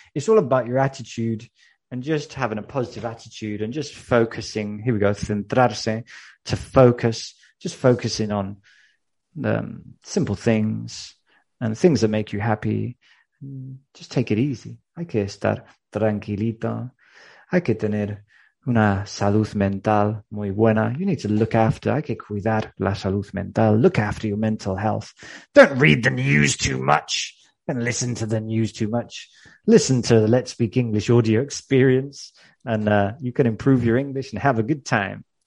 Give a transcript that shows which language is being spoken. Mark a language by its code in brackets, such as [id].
[en] It's all about your attitude and just having a positive attitude and just focusing. Here we go. Centrarse, to focus, just focusing on simple things and things that make you happy. Just take it easy. [es] Hay que estar tranquilito. Hay que tener una salud mental muy buena. [en] You need to look after, [es] hay que cuidar la salud mental. [en] Look after your mental health. Don't read the news too much and listen to the news too much. Listen to the Let's Speak English audio experience and you can improve your English and have a good time.